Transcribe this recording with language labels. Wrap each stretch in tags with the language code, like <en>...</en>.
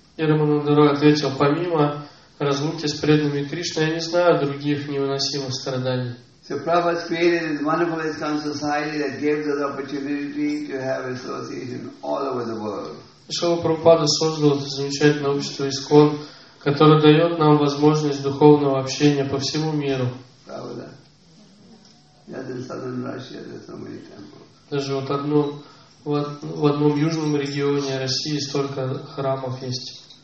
<ru>И Рамананда Роя ответил, помимо разлуки с преданными Кришной, я не знаю других невыносимых страданий.</ru> <en>So Prabhupada created this wonderful ISKCON society that gives us opportunity to have association all over the world.</en> <ru>Шрила Прабхупада создал это замечательное общество ИСКОН, которое дает нам возможность духовного общения по всему миру. Правда? Даже в</ru> <en>Southern Russia there's so many temples.</en> <ru>Даже вот одно... В одном южном регионе России столько храмов есть.</ru>